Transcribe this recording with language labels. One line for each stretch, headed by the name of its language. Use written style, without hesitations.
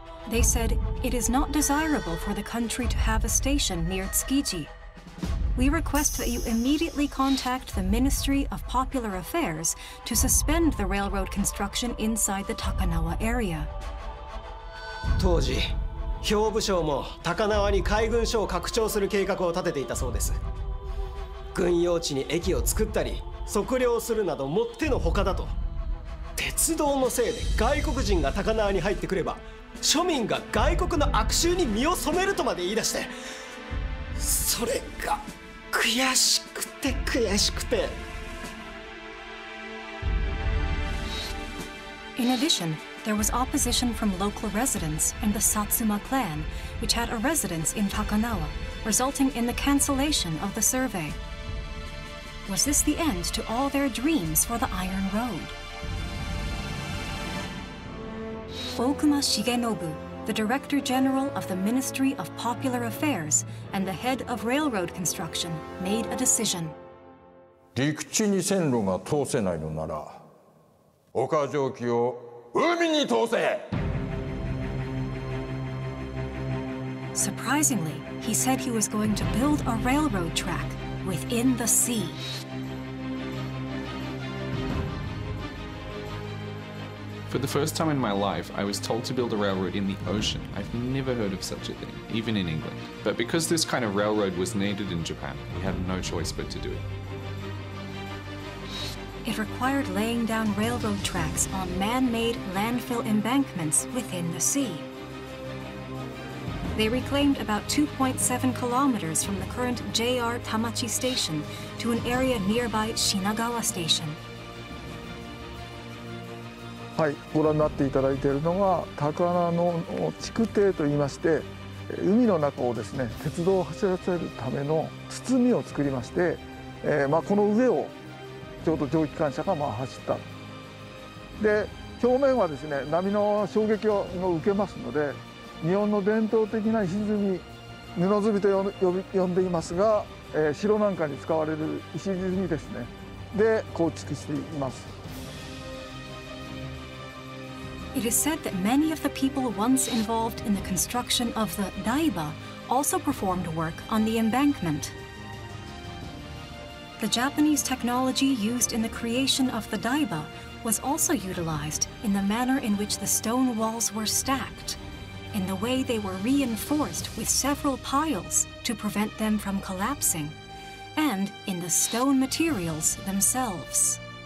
English: They said, "It is not desirable for the country to have a station near Tsukiji. We request that you immediately contact the Ministry of Popular Affairs to suspend the railroad construction inside the Takanawa area."
Japanese: 当時、兵部省も高輪に海軍省を拡張する計画を立てていたそうです。軍用地に駅を作ったり、測量するなどもってのほかだと。鉄道のせいで外国人が高輪に入ってくれば、庶民が外国の悪習に身を染めるとまで言い出して、それが悔しくて悔しくて。
English: In addition, there was opposition from local residents and the Satsuma clan, which had a residence in Takanawa, resulting in the cancellation of the survey. Was this the end to all their dreams for the Iron Road? 大隈重信、the Director General of the Ministry of Popular Affairs and the Head of Railroad Construction, made a decision.
Japanese: 陸地に線路が通せないのなら、陸蒸気を海に通せ。
English: Surprisingly, he said he was going to build a railroad track within the sea. For the first time in my life, I was told to build a railroad in the ocean. I've never heard of such a thing, even in England. But because this kind of railroad was needed in Japan, we had no choice but to do it. It required laying down railroad tracks on man-made landfill embankments within the sea. They reclaimed about 2.7 kilometers from the current JR Tamachi Station to an area nearby Shinagawa Station.
Japanese: はい、ご覧になっていただいているのは高輪の築堤といいまして、海の中をですね、鉄道を走らせるための包みを作りまして、この上をちょうど蒸気機関車が走った。で、表面はですね、波の衝撃を受けますので、日本の伝統的な石積み、布積みと呼んでいますが、城なんかに使われる石積みですね、で構築しています。
English: It is said that many of the people once involved in the construction of the Daiba also performed work on the embankment. The Japanese technology used in the creation of the Daiba was also utilized in the manner in which the stone walls were stacked, in the way they were reinforced with several piles to prevent them from collapsing, and in the stone materials themselves.